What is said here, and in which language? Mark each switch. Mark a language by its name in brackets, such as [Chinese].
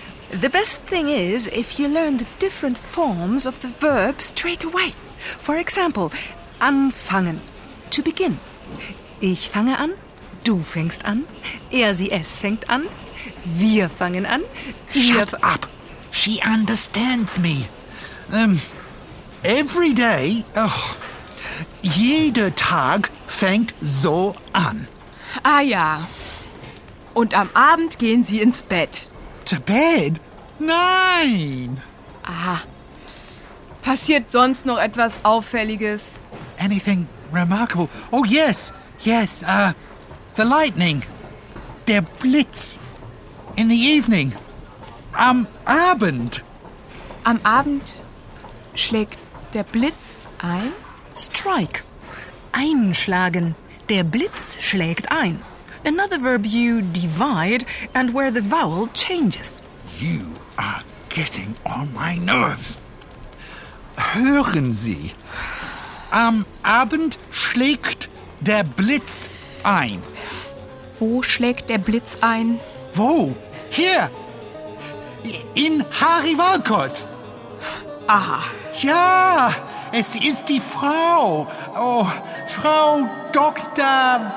[English] The best thing is if you learn the different forms of the verb straight away. For example, anfangen, to begin. [German] Ich fange an, du fängst an, er, sie, es fängt an, wir fangen an. [English] Shut up. She understands me. Every day, [German] oh, jeder Tag fängt so an. Ah ja. Und am Abend gehen Sie ins Bett. [English] to bed? [German] Nein. Aha. Passiert sonst noch etwas Auffälliges? [English] Anything remarkable? Oh, yes. Yes, the lightning. Der Blitz. In the evening. [German] Am Abend. Am Abend schlägt der Blitz ein? Strike. Einschlagen. Der Blitz schlägt ein. [English] Another verb you divide and where the vowel changes. You are getting on my nerves. [German] Hören Sie. Am Abend schlägt der Blitz ein. Wo schlägt der Blitz ein? Wo? Hier. In Harry Walcott. Aha. Ja, es ist die Frau. Oh, Frau Dr.